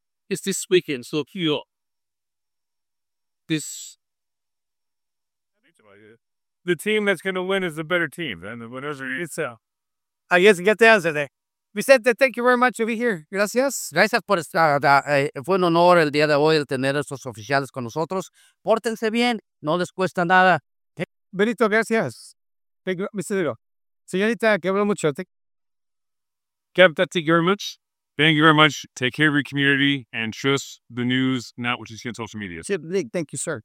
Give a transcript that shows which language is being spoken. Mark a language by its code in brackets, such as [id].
[en] It's this weekend, so here. This. The team that's going to win is the better team. And the winners are itself. I guess you get the answer there. Vicente, thank you very much to be here. [es] Gracias. Gracias por estar. Fue un honor el día de hoy el tener estos oficiales con nosotros. Pórtense bien. No les cuesta nada. [en] Benito, gracias. Thank you, Mr. Little. [es] Señorita, que hablo mucho. [en] Captain, thank you very much. Thank you very much. Take care of your community and trust the news, not what you see on social media. Chief Nick, thank you, sir.